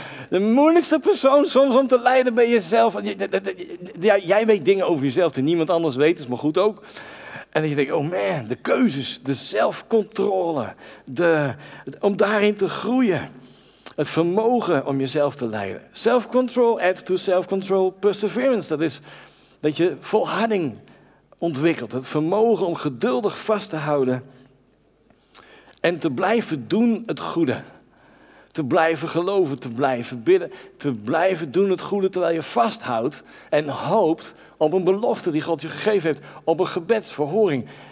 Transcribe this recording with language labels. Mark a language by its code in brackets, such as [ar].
[nl] De moeilijkste persoon soms om te leiden ben jezelf. Jij weet dingen over jezelf die niemand anders weet, is maar goed ook. En dan denk je, oh man, de keuzes, de zelfcontrole, om daarin te groeien. Het vermogen om jezelf te leiden. [en] Self-control, add to self-control, perseverance. [nl] Dat is dat je volharding ontwikkelt. Het vermogen om geduldig vast te houden en te blijven doen het goede. Te blijven geloven, te blijven bidden, te blijven doen het goede terwijl je vasthoudt en hoopt op een belofte die God je gegeven heeft, op een gebedsverhoring.